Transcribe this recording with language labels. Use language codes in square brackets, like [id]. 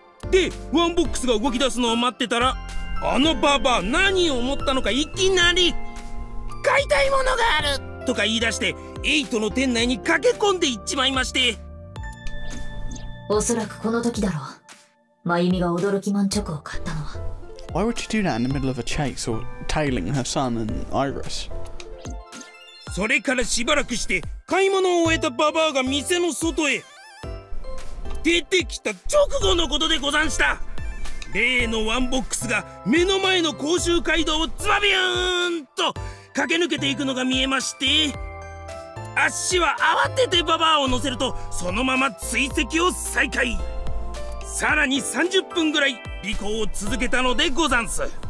[ja] で、ワンボックスが動き出すのを待ってたら、あのババア何を思ったのか、いきなり買いたいものがあるとか言い出して8の店内に駆け込んでいっちまいまして。おそらくこの時だろう、マユミが驚きマンチョコを買ったのは。 [en] Why would you do that in the middle of a chase or tailing her son and Iris? [ja] それからしばらくして買い物を終えたババアが店の外へ出てきた直後のことでござんした。例のワンボックスが目の前の甲州街道をズバビューンと駆け抜けていくのが見えまして、あっしは慌ててババアを乗せるとそのまま追跡を再開、さらに30分ぐらい尾行を続けたのでござんす。